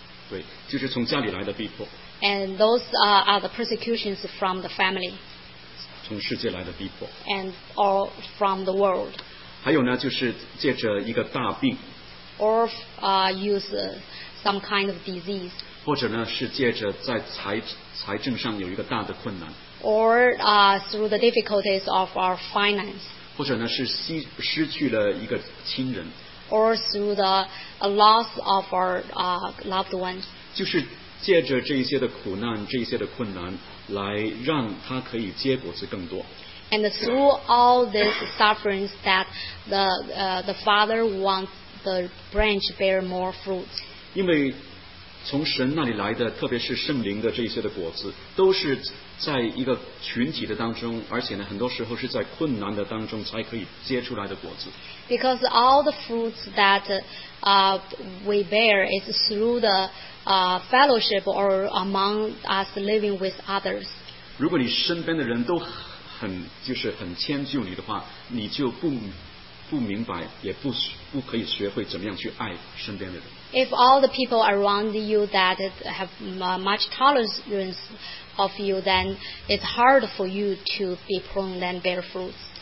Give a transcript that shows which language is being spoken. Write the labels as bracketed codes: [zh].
[zh] 对, 就是从家里来的逼迫。 [en] And those are the persecutions from the family. [zh] 从世界来的逼迫, [en] and all from the world. [zh] 还有呢, 就是借着一个大病, [en] or use some kind of disease. [zh] 或者呢, 是借着在财政上有一个大的困难, [en] or through the difficulties of our finance. [zh] 或者呢, 是失去了一个亲人, [en] or through the loss of our loved ones. [zh] 就是借着这一些的苦难, 这一些的困难, 来让他可以结果子更多。 [en] And through all these sufferings that the Father wants the branch bear more fruit. [zh] 因为从神那里来的, 特别是圣灵的这些的果子, 都是在一个群体的当中, 而且呢, 很多时候是在困难的当中才可以结出来的果子。 [en] Because all the fruits that we bear is through the fellowship or among us living with others. [zh] 如果你身边的人都很谦虚你的话, 你就不明白也不可以学会怎么样去爱身边的人。 [en] If all the people around you that have much tolerance of you, then it's hard for you to be prone and bear fruits.